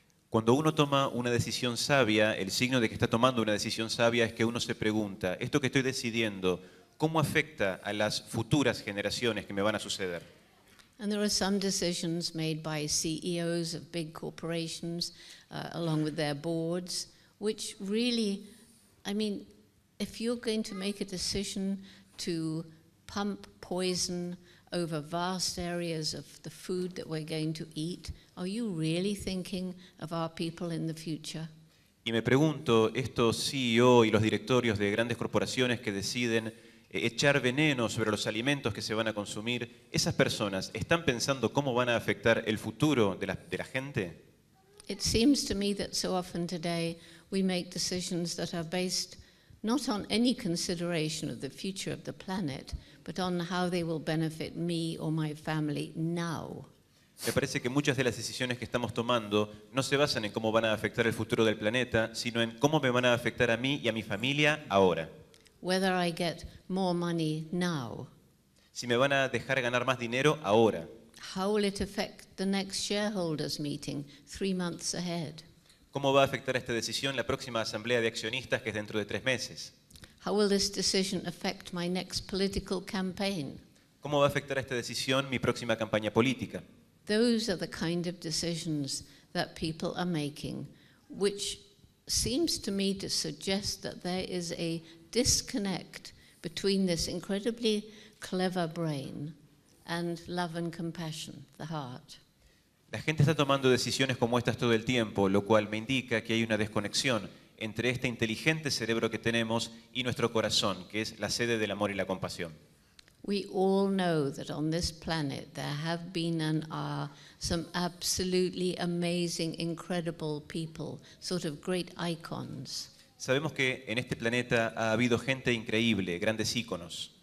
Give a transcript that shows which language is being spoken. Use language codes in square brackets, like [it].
[es] Cuando uno toma una decisión sabia, el signo de que está tomando una decisión sabia es que uno se pregunta, esto que estoy decidiendo, ¿cómo afecta a las futuras generaciones que me van a suceder? [en] And there are some decisions made by CEOs of big corporations, along with their boards, which really, I mean, if you're going to make a decision to pump poison over vast areas of the food that we're going to eat, are you really thinking of our people in the future? [es] Y me pregunto, estos CEO y los directorios de grandes corporaciones que deciden echar veneno sobre los alimentos que se van a consumir, ¿esas personas están pensando cómo van a afectar el futuro de la gente? [en] It seems to me that so often today we make decisions that are based not on any consideration of the future of the planet, but on how they will benefit me or my family now. [es] Me parece que muchas de las decisiones que estamos tomando no se basan en cómo van a afectar el futuro del planeta, sino en cómo me van a afectar a mí y a mi familia ahora. [en] Whether I get more money now. [es] Si me van a dejar ganar más dinero ahora. [en] How will it affect the next shareholders meeting 3 months ahead? [es] ¿Cómo va a afectar esta decisión la próxima asamblea de accionistas que es dentro de 3 meses? [en] How will this decision affect my next political campaign? [es] ¿Cómo va a afectar esta decisión mi próxima campaña política? [en] Those are the kind of decisions that people are making, which seems to me to suggest that there is a disconnect between this incredibly clever brain and love and compassion, the heart. [es] La gente está tomando decisiones como estas todo el tiempo, lo cual me indica que hay una desconexión entre este inteligente cerebro que tenemos y nuestro corazón, que es la sede del amor y la compasión. [en] We all know that on this planet there have been and are some absolutely amazing, incredible people, sort of great icons. [es] Sabemos que en este planeta ha habido gente increíble, grandes íconos.